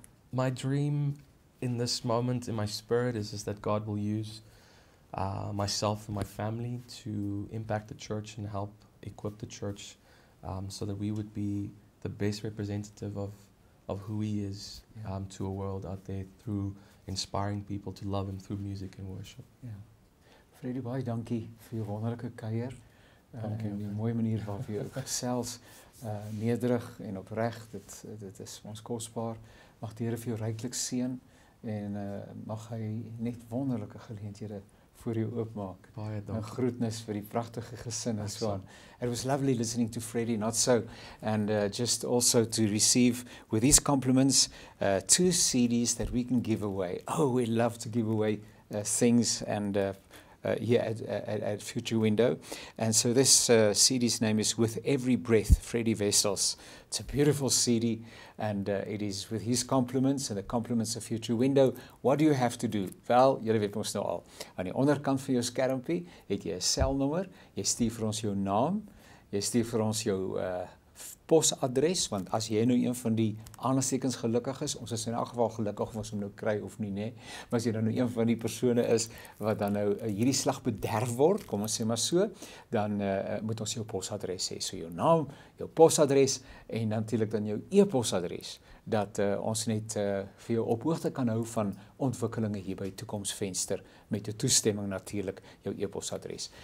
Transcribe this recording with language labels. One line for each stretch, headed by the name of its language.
English: My dream in this moment in my spirit is that God will use myself and my family to impact the church and help equip the church so that we would be the best representative of who He is to a world out there through inspiring people to love Him through music and worship. Yeah.
Afrikaans: Freddie, baie dankie vir jou wonderlike kuier en die mooie manier waarop jy gesels, nederig en opreg, dit is ons kosbaar. Mag die Here vir jou ryklik seën en mag hy net wonderlike geleenthede voor jou oopmaak. Baie dankie. En groetnis vir die pragtige gesin en so aan.
English: It was lovely listening to Freddie, not so, and just also to receive with these compliments two CDs that we can give away. Oh, we love to give away things and at Future Window. And so this CD's name is With Every Breath, Freddie Wessels. It's a beautiful CD, and it is with his compliments and the compliments of Future Window. What do you have to do? Well,
Afrikaans: julle weet ons nou al. Aan die onderkant van jou skermpie het jy 'n selnommer. Jy stuur vir ons jou naam. Jy stuur vir ons jou posadres, want as jy nou een van die aanstekens gelukkig is, ons is in elk geval gelukkig of ons hom nou kry of nie, nee. Maar as jy dan nou een van die persone is wat dan nou hierdie slag bederf word, kom ons sê maar so, dan moet ons jou posadres hê, so jou naam, jou posadres en natuurlik dan jou e-posadres, dat ons net vir jou op hoogte kan hou van ontwikkelinge hier by Toekomsvenster, met jou toestemming natuurlik, jou e-posadres.